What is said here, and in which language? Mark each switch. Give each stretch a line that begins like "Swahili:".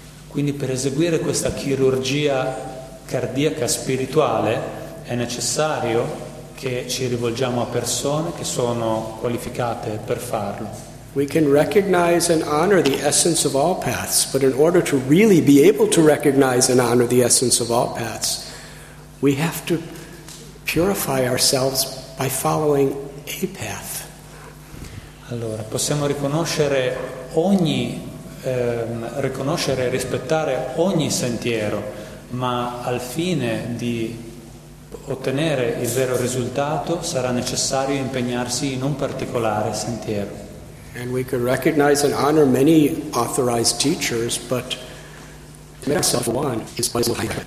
Italian: Quindi per eseguire questa chirurgia cardiaca spirituale è necessario che ci rivolgiamo a persone che sono qualificate per farlo.
English: We can recognize and honor the essence of all paths, but in order to really be able to recognize and honor the essence of all paths, we have to purify ourselves by following a path.
Italian: Allora, possiamo riconoscere ogni riconoscere e rispettare ogni sentiero, ma al fine di ottenere il vero risultato sarà necessario impegnarsi in un particolare sentiero.
English: And we could recognize and honor many authorized teachers, but myself one is by the way.